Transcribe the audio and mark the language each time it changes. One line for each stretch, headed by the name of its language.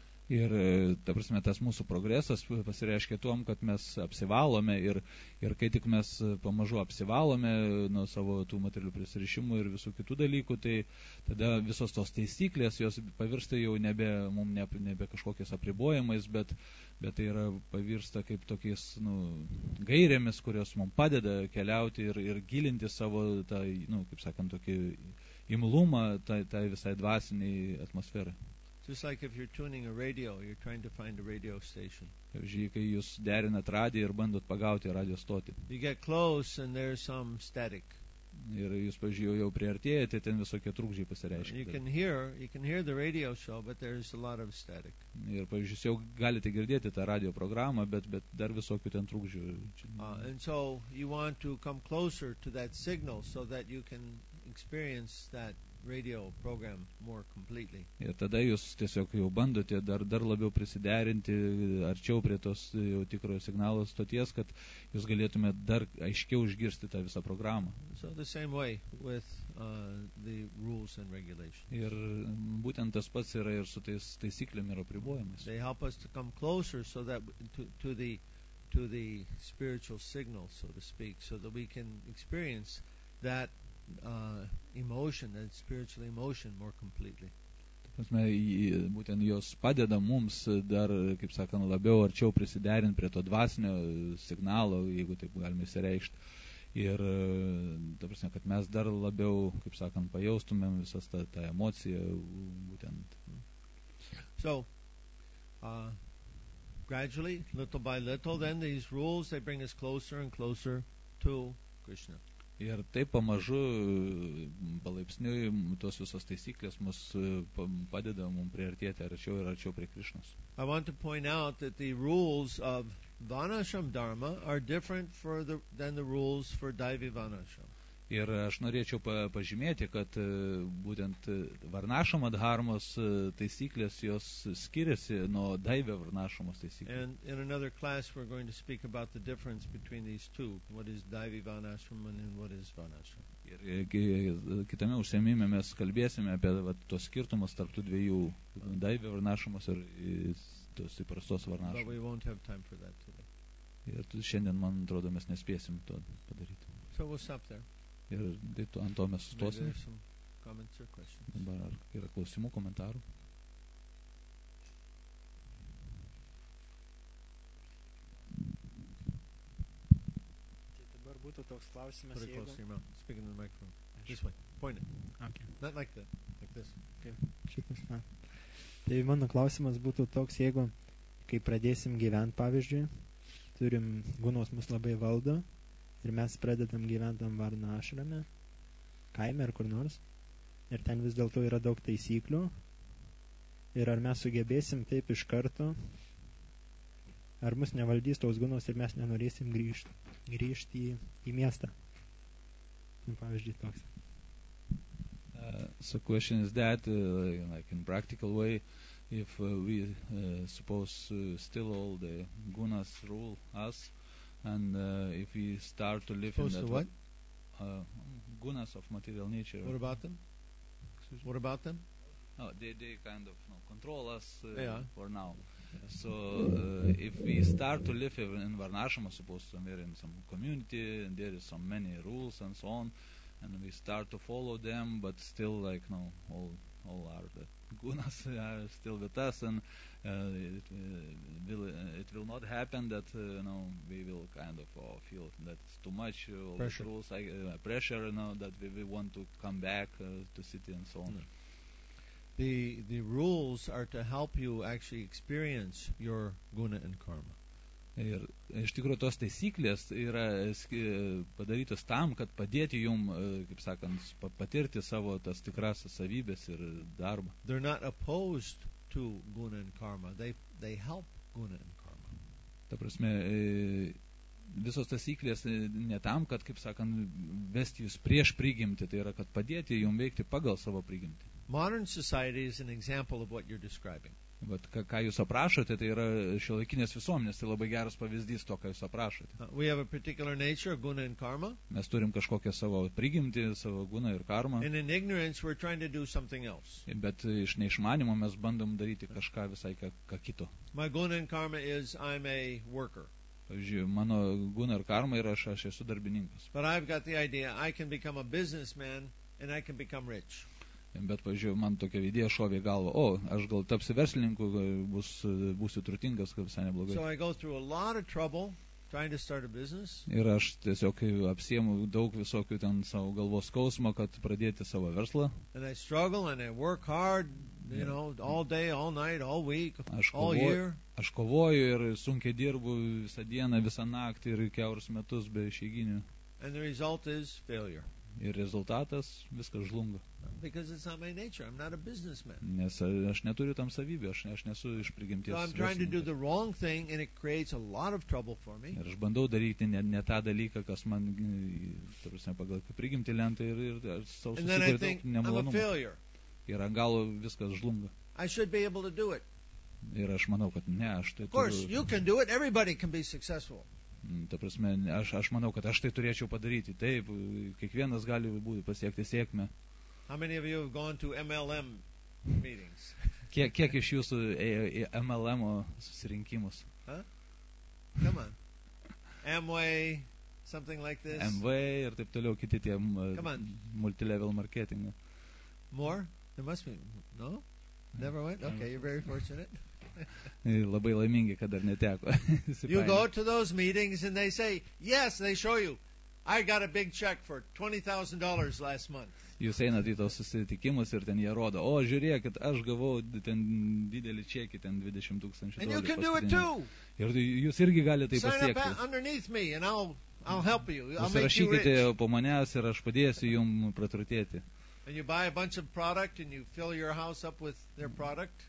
Lithuanian: Ir, ta prasme, tas mūsų progresas pasireiškia tuom, kad mes apsivalome ir kai tik mes pamažu apsivalome nuo savo tų materialių prisirišimų ir visų kitų dalykų, tai tada visos tos taisyklės, jos pavirsta jau nebe kažkokiais apribojimais, bet tai yra pavirsta kaip tokiais gairėmis, kurios mums padeda keliauti ir gilinti savo, tą, kaip sakant, tokį imlumą tai visai dvasiniai atmosferai.
English: Just like if you're tuning a radio, you're trying to find a radio station.
Lithuanian: Kai jūs derinat radiją ir bandot pagauti radio stotį.
English: You get close and there's some static.
Lithuanian: Ir jūs jau priartėjate, ten visokie trukdžiai pasireiškia.
English: You can hear the radio show, but there's a lot of static.
Lithuanian: Ir jūs jau galite girdėti tą radio programą, bet dar visokių ten trukdžių.
English: And so you want to come closer to that signal so that you can experience that radio program more completely.
Lithuanian: Ir tada jūs tiesiog jau bandote dar labiau prisiderinti arčiau prie tos jau tikrojo signalo stoties, kad jūs galėtume dar aiškiau išgirsti tą visą programą.
English: So the same way with the rules and regulations.
Lithuanian: Ir būtent tas pats yra ir su tais taisyklėmis ir apribojimais.
English: They help us to come closer so that to the spiritual signal, so to speak, so that we can experience that emotion, that spiritual emotion more completely.
Lithuanian: Būtent jos padeda mums dar, kaip sakant, labiau arčiau prisiderinti prie to dvasinio signalo, jeigu taip galime išsireikšti. Ir, ta prasme, kad mes dar labiau, kaip sakant, pajaustumėm visas tą emociją, būtent.
English: So, gradually, little by little, then these rules, they bring us closer and closer to Krishna.
Lithuanian: Ir taip pamažu, palaipsniui, tos visos taisyklės mus padeda mums priartėti arčiau ir arčiau prie Krišnos.
English: I want to point out that the rules of Vanashram Dharma are different than the rules for Daivi Vanashram.
Lithuanian: Ir aš norėčiau pažymėti, kad būtent Varnašamo dharmos taisyklės jos skiriasi nuo Daivio Varnašamos taisyklės.
English: And in another class we're going to speak about the difference between these two, what is Daivi Varnašram and what is Varnašram.
Lithuanian: Ir kitame užsiėmime mes kalbėsime apie tos skirtumus tarp tų dviejų Daivio Varnašamos ir tos įprastos Varnašamos.
English: But we won't have time for that today.
Lithuanian: Ir šiandien, man atrodo, mes nespėsim to padaryti. So we'll stop there. Ir ant to mes sustosime. Dabar yra klausimų, komentarų. Tai dabar būtų toks klausimas,
English: pretty
Lithuanian: jeigu...
English: Pretty close to your mouth. Speaking in the microphone. This way. Point it. Okay. Not like that. Like this. Okay.
Lithuanian: Šitas. Tai mano klausimas būtų toks, jeigu, kai pradėsim gyvent, pavyzdžiui, turim gunos mus labai valdo, ir mes pradedam gyventam Varnašrame, kaime ar kur nors, ir ten vis dėlto yra daug taisyklių, ir ar mes sugebėsim taip iš karto, ar mus nevaldys tos gunos ir mes nenorėsim grįžti į miestą. Pavyzdžiui, toks.
English: So question is that, like in practical way, if we suppose still all the gunas rule us, and if we start to live supposed in that to what? Gunas of material nature. What about them? What about them? No, they kind of control us for now. Yeah. So if we start to live in Varnashrama, suppose somewhere in some community, and there is some many rules and so on, and we start to follow them, but still like no, all are the gunas are still with us, and it will not happen that we will kind of feel that it's too much pressure. Rules, pressure, that we want to come back to city and so on. Mm. The rules are to help you actually experience your guna and karma.
Lithuanian: Ir iš tikrųjų tos taisyklės yra padarytos tam, kad padėti jum, kaip sakant, patirti savo tas tikras savybės ir darbą.
English: They're not opposed to guna and karma. They help guna and karma.
Lithuanian: Ta prasme, visos taisyklės ne tam, kad, kaip sakant, vesti jūs prieš prigimtį, tai yra, kad padėti jum veikti pagal savo prigimtį.
English: Modern society is an example of what you're describing.
Lithuanian: Bet ką jūs aprašote, tai yra šiuolaikinės visuomenės, tai labai geras pavyzdys to, ką jūs aprašote.
English: We have a particular nature, guna and karma.
Lithuanian: Mes turim kažkokią savo prigimtį, savo guna ir karma.
English: And in ignorance we're trying to do something else.
Lithuanian: Bet iš neišmanimo mes bandom daryti kažką visai ką kito.
English: My guna and karma is I'm a worker.
Lithuanian: Pavyzdžiui, mano guna ir karma yra, aš esu darbininkas.
English: But I've got the idea, I can become a businessman and I can become rich.
Lithuanian: Bet, pavyzdžiui, man tokia idėja šovė galvo, o, aš gal tapsiu verslininku, būsiu turtingas, kad visai neblogai.
English: So I go through a lot of trouble trying to start a business.
Lithuanian: Ir aš tiesiog apsiemu daug visokių ten savo galvos skausmo, kad pradėti savo verslą.
English: And I struggle and I work hard, all day, all night, all week, all year.
Lithuanian: Aš kovoju ir sunkiai dirbu visą dieną, visą naktį ir keurus metus be išeiginių.
English: And the result is failure.
Lithuanian: ir rezultatas viskas žlunga.
English: Because it's not my nature. I'm not a businessman.
Lithuanian: Nes aš neturiu tam savybių, aš nesu iš prigimties.
English: So I'm trying to do the wrong thing and it creates a lot of trouble for me.
Lithuanian: Ir aš bandau daryti ne tą dalyką, kas man pagal prigimtį lenta ir savo susikurtą nemalonumą. Ir ant galo viskas žlunga.
English: I should be able to do it.
Lithuanian: Ir aš manau, kad ne, aš tai
English: of course, you can do it. Everybody can be successful.
Lithuanian: Ta prasme, aš manau, kad aš tai turėčiau padaryti. Taip, kiekvienas gali būti pasiekti sėkmę.
English: How many of you have gone to MLM meetings?
Lithuanian: Kiek iš jūsų į MLM susirinkimus?
English: Huh? Come on. Amway, something like this.
Lithuanian: Amway ir taip toliau kiti tie multilevel marketing.
English: More? There must be. No? Never went? Okay, you're very fortunate.
Lithuanian: Labai laimingi, kad dar neteko.
English: You go to those meetings and they say, yes, they show you. I got a big check for $20,000 last month.
Lithuanian: Jūs einat į tos susitikimus ir ten jie rodo, o žiūrėkit, aš gavau ten didelį čekį, ten 20 tūkstančių.
English: And you can do it too.
Lithuanian: Ir jūs irgi galite tai pasiekti.
English: Sign up underneath me and I'll help you. I'll make you rich.
Lithuanian: Užsirašykite po manęs ir aš padėsiu jum praturtėti.
English: And you buy a bunch of product and you fill your house up with their product.